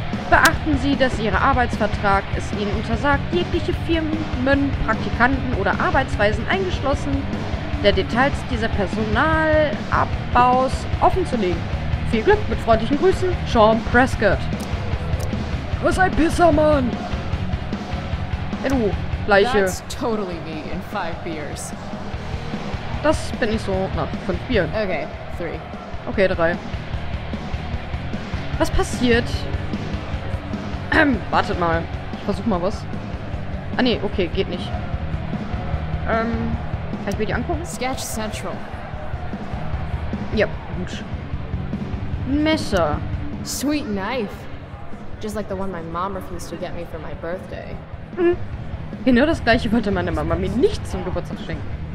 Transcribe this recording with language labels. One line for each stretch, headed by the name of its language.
German: Beachten Sie, dass Ihr Arbeitsvertrag es Ihnen untersagt, jegliche Firmen, Praktikanten oder Arbeitsweisen, eingeschlossen der Details dieser Personalabbaus offenzulegen. Viel Glück, mit freundlichen Grüßen, Sean Prescott. Was ein Pisser, Mann! Hey du, Leiche.
English: That's totally me in 5 beers.
German: Das bin ich so nach 5 Bieren. Okay, 3. Okay, 3. Was passiert? Wartet mal. Ich versuch mal was. Ah ne, okay, geht nicht. Kann ich mir die angucken?
English: Sketch Central.
German: Ja, gut. Messer.
English: Sweet knife. Just like the one my mom refused to get me for my birthday.
German: Genau das gleiche wollte meine Mama mir nicht zum Geburtstag schenken.